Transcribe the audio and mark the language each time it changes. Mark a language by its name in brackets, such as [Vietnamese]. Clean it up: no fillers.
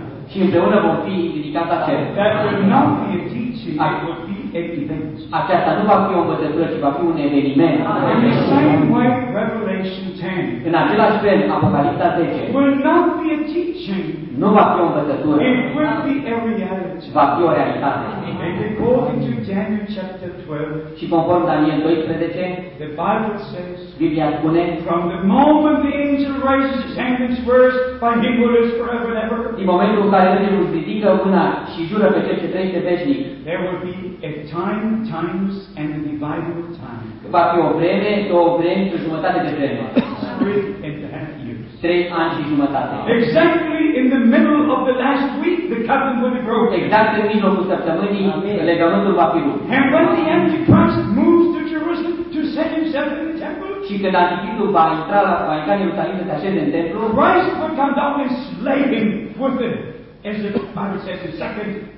[Romanian] Și împreună vor fi ridicat acel. [English] That will not be a teaching, it will be evident. [Romanian] Aceasta nu va fi o învățătură, ci va fi un eveniment. [English] In the same way, Revelation 10. [Romanian] În același fel, Apocalipsa 10. [English] Will not be a teaching. [Romanian] Nu va fi o învățătură. [English] It will be a reality. [Romanian] Va fi o realitate. [English] And according to Daniel chapter 12. [Romanian] Și conform Daniel 12. [English] The Bible says. [Romanian] Biblia spune. [English] From the moment the angel raises his hand and swears by Him who lives forever and ever. [Romanian] Din momentul în care îngerul ridică mâna și jură pe cel ce trăiește veșnic. [English] There will be a time, times, and a divided time. [Romanian] Va fi o vreme, două vremi și o jumătate de vreme. [English] 3.5 years. [Romanian] 3 ani și jumătate. [English] Exactly in the middle of the last week, the covenant will be broken. [Romanian] Exact în mijlocul săptămânii, legământul va fi rupt. [English] And when the Antichrist moves to Jerusalem to set himself in the temple, [Romanian] și când Antichristul va intra la Maica Ierusalim să se așeze în templu, [English] Christ will come down and slay him with the, as the Bible says, the second